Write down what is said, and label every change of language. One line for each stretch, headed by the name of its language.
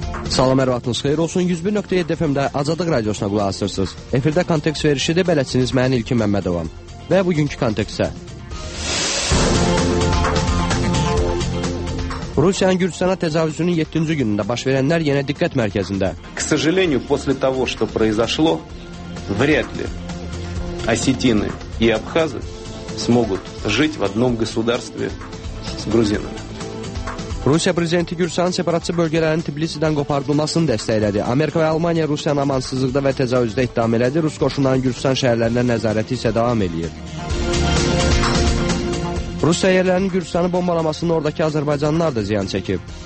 Azerbaijani: Salam, hər vaxtınız xeyir olsun. 101.7 FM-də Azadlıq Radiosuna qulaq asırsınız. Efirdə kontekst verişidir. Bələdçiniz mən İlkin Məmmədovam. Və bugünkü kontekstə. Rusiyanın Gürcüstana təcavüzünün 7-ci günündə baş verənlər yenə diqqət mərkəzində.
Russian: К сожалению, после того, что произошло, вряд ли осетины и абхазы смогут жить в одном государстве с грузинами.
Azerbaijani: Rusiya prezidenti Gürcüstanın separatçı bölgələrinin Tbilisi-dən qoparılmasını dəstəklədi. Amerika və Almaniya Rusiyanın amansızlıqda və təcavüzdə ittiham elədi. Rus qoşunlarının Gürcüstan şəhərlərində nəzarəti isə davam edir. Rus səyyərlərinin Gürcüstanı bombalamasının oradakı azərbaycanlılar da ziyan çəkib.